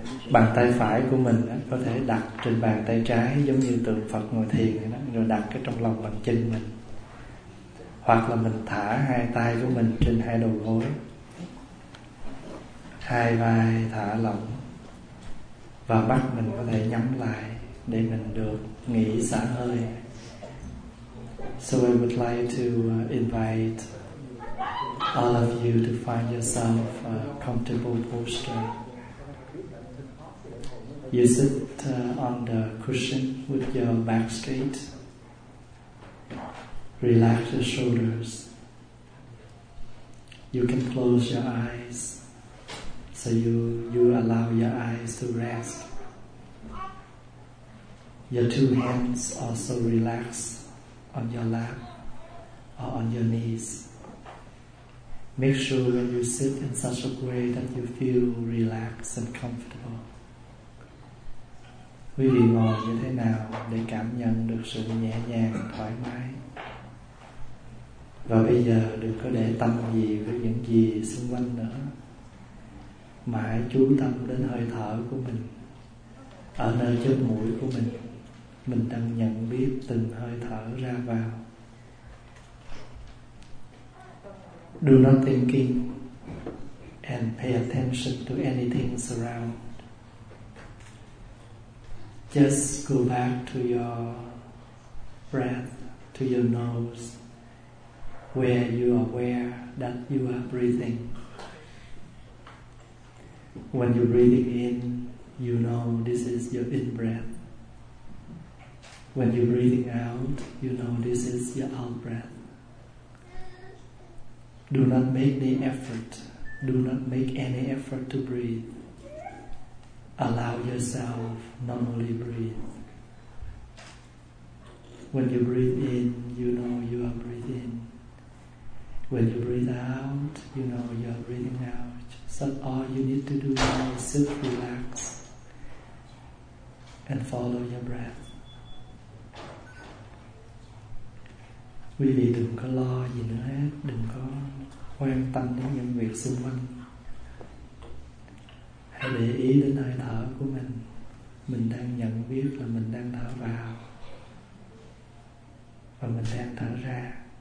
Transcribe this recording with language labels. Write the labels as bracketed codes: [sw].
[vi] Bàn tay phải của mình có thể đặt trên bàn tay trái giống như tượng Phật ngồi thiền vậy đó, rồi đặt cái trong lòng bàn chân mình, hoặc là mình thả hai tay của mình trên hai đầu gối, hai vai thả lỏng và mắt mình có thể nhắm lại để mình được nghỉ xả hơi. [en] So I would like to invite all of you to find yourself a comfortable posture. You sit on the cushion with your back straight. Relax your shoulders. You can close your eyes so you allow your eyes to rest. Your two hands also relax on your lap or on your knees. Make sure that you sit in such a way that you feel relaxed and comfortable. [vi] Quý vị ngồi như thế nào để cảm nhận được sự nhẹ nhàng, thoải mái? Và bây giờ đừng có để tâm gì với những gì xung quanh nữa, mà hãy chú tâm đến hơi thở của mình. Ở nơi chóp mũi của mình, mình đang nhận biết từng hơi thở ra vào. [en] Do not thinking and pay attention to anything around. Just go back to your breath, to your nose, where you are aware that you are breathing. When you're breathing in, you know this is your in-breath. When you're breathing out, you know this is your out-breath. Do not make any effort. Do not make any effort to breathe. Allow yourself normally breathe. When you breathe in, you know you are breathing. When you breathe out, you know you are breathing out. So all you need to do now is sit, relax, and follow your breath. [vi] Quý vị đừng có lo gì nữa hết, đừng có quan tâm đến những việc xung quanh. Hãy để ý đến hơi thở của mình. Mình đang nhận biết là mình đang thở vào và mình đang thở ra.